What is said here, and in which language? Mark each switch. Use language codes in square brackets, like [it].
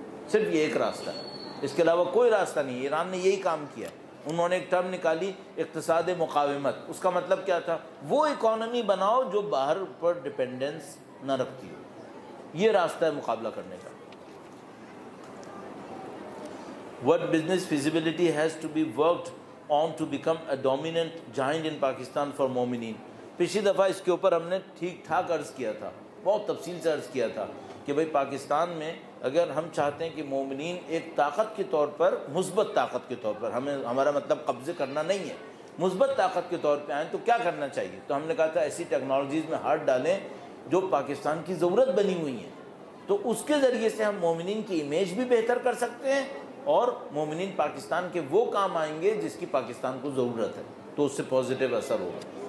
[ur] صرف یہ ایک راستہ ہے, اس کے علاوہ کوئی راستہ نہیں. ایران نے یہی کام کیا, انہوں نے ایک ٹرم نکالی اقتصاد مقاومت. اس کا مطلب کیا تھا؟ وہ اکانومی بناؤ جو باہر پر ڈیپینڈنس نہ رکھتی ہو. یہ راستہ ہے مقابلہ کرنے کا. [en] What business feasibility has to be worked on to become a dominant giant in Pakistan for مومنین. [ur] پچھلی دفعہ اس کے اوپر ہم نے ٹھیک ٹھاک عرض کیا تھا, بہت تفصیل سے عرض کیا تھا کہ بھائی پاکستان میں اگر ہم چاہتے ہیں کہ مومنین ایک طاقت کے طور پر, مثبت طاقت کے طور پر, ہمیں ہمارا مطلب قبضے کرنا نہیں ہے, مثبت طاقت کے طور پہ آئیں تو کیا کرنا چاہیے. تو ہم نے کہا تھا ایسی ٹیکنالوجیز میں ہاتھ ڈالیں جو پاکستان کی ضرورت بنی ہوئی ہیں, تو اس کے ذریعے سے ہم مومنین کی امیج بھی بہتر کر سکتے ہیں اور مومنین پاکستان کے وہ کام آئیں گے جس کی پاکستان کو ضرورت ہے, تو اس سے پازیٹیو اثر ہوگا.